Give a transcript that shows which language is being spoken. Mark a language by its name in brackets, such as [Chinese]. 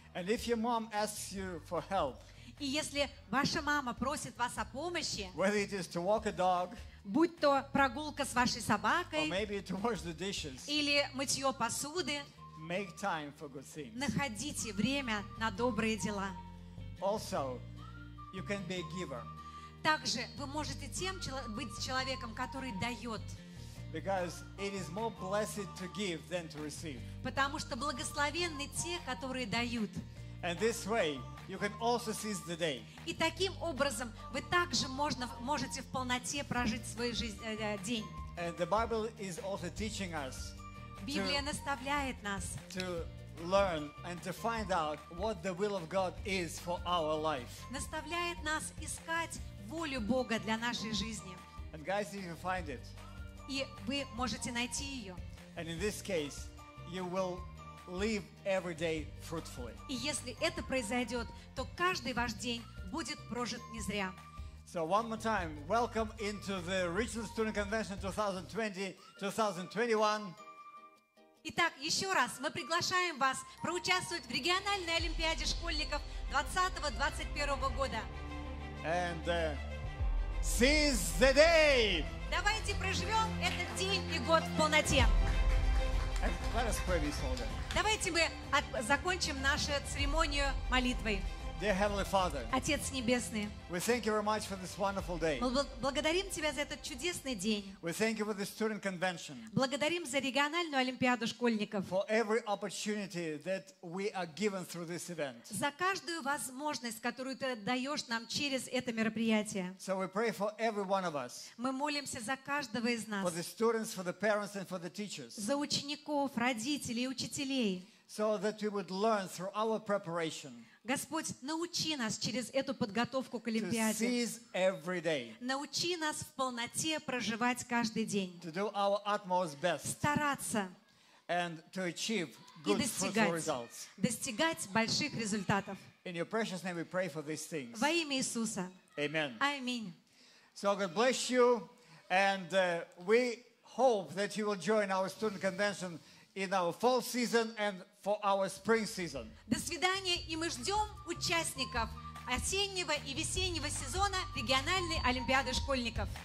[English] And if your mom asks you for help. [Russian] И если ваша мама просит вас о помощи, [English] whether it is to walk a dog, [Russian] будь то прогулка с вашей собакой, [English] or maybe to wash the dishes, [Russian] или мытье посуды, [English] make time for good things. [Russian] Находите время на добрые дела. [English] Also, you can be a giver. [Russian] Также вы можете быть человеком, который дает. [English] Because it is more blessed to give than to receive. [Russian] Потому что благословенны те, которые дают. [English] And this way, you can also seize the day. [Russian] И таким образом вы также можете в полноте прожить свой день. [English] And the Bible is also teaching us. [Russian] Библия наставляет нас. [English] To learn and to find out what the will of God is for our life. [Russian] Наставляет нас искать волю Бога для нашей жизни. [English] And guys, if you find it. [Russian] И вы можете найти ее. [English] And in this case, you will. Live every day fruitfully. [Russian] И если это произойдет, то каждый ваш день будет прожит не зря. [English] So one more time, welcome into the Regional Student Convention 2020-2021. [Russian] Итак, еще раз, мы приглашаем вас проучаствовать в региональной олимпиаде школьников 2020-2021 года. [English] And seize the day! [Russian] Давайте проживем этот день и год в полноте. [English] Let us pray this whole day. [Russian] Давайте мы закончим нашу церемонию молитвой. [English] Dear Heavenly Father, [Russian] Отец Небесный, [English] we thank you very much for this wonderful day. [Russian] Мы благодарим Тебя за этот чудесный день. [English] We thank you for the student convention. [Russian] Благодарим за региональную олимпиаду школьников. [English] For every opportunity that we are given through this event. [Russian] За каждую возможность, которую Ты даешь нам через это мероприятие. [English] So we pray for every one of us. [Russian] Мы молимся за каждого из нас. [English] For the students, for the parents, and for the teachers. [Russian] За учеников, родителей и учителей. [English] So that we would learn through our preparation. [Russian] Господь, научи нас через эту подготовку к Олимпиаде. Научи нас в полноте проживать каждый день. Стараться. [English] And to achieve good, [Russian] и достигать, [English] results. [Russian] Достигать больших результатов. [English] In your precious name we pray for these things. [Russian] Во имя Иисуса. [English] Amen. [Russian] Аминь. [English] So God bless you, and we hope that you will join our student convention in our fall season and for our spring season. [Russian] До свидания, и мы ждем участников осеннего и весеннего сезона региональной олимпиады школьников.